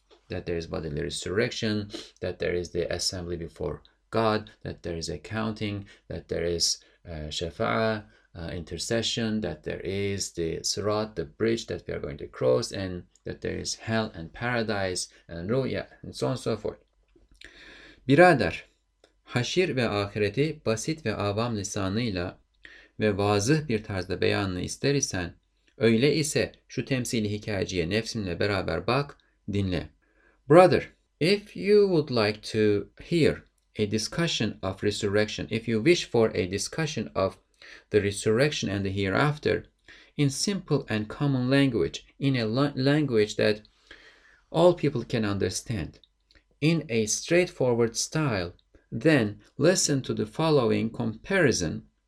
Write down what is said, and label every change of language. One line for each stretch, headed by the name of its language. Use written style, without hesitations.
English: That there is bodily resurrection, that there is the assembly before God, that there is accounting, that there is shafa'ah, intercession, that there is the sirat, the bridge that we are going to cross, and that there is hell and paradise and ru'ya, and so on and so forth.
Turkish: Birader, haşir ve ahireti basit ve avam lisanıyla ve vazıh bir tarzda beyanını ister isen, öyle ise şu temsili hikayeciye nefsimle beraber bak, dinle.
English: Brother, if you would like to hear a discussion of resurrection, if you wish for a discussion of the resurrection and the hereafter, in simple and common language, in a language that all people can understand, in a straightforward style, then listen to the following comparison